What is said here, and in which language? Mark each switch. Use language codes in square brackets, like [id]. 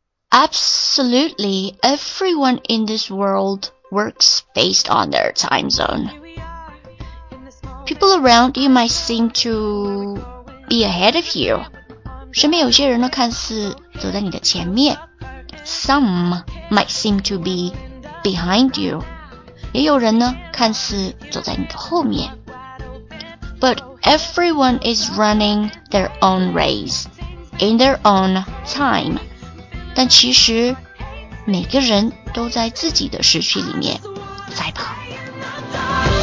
[en] Absolutely, everyone in this world works based on their time zone. People around you might seem to be ahead of you. [zh] 身边有些人呢，看似走在你的前面。 [en] Some might seem to be behind you. [zh] 也有人呢，看似走在你的后面。 [en] But everyone is running their own race in their own time. [zh] 但其实每个人都在自己的时区里面赛跑。